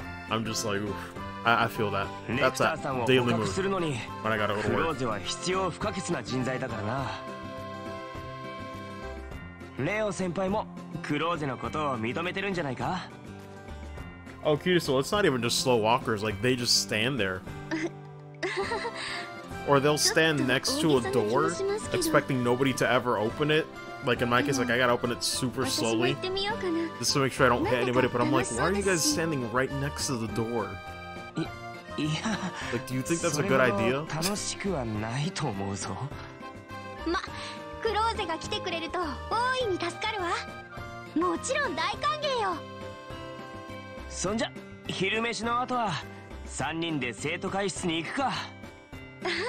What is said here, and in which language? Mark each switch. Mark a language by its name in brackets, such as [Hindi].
[English] I'm just like, oof. I feel that. That's a daily move when I gotta go to work. [Japanese] レオ先輩もクローゼのことを認めてるんじゃないか。 [English] Oh, cute. So it's not even just slow walkers, like they just stand there. Or they'll stand next to a door, expecting nobody to ever open it. Like in my case, like I gotta open it super slowly. Just to make sure I don't hit anybody, but I'm like, why are you guys standing right next to the door? Like, do you think that's a good idea? [Japanese] そんじゃ、昼飯の後は3人で生徒会室に行くか。はい。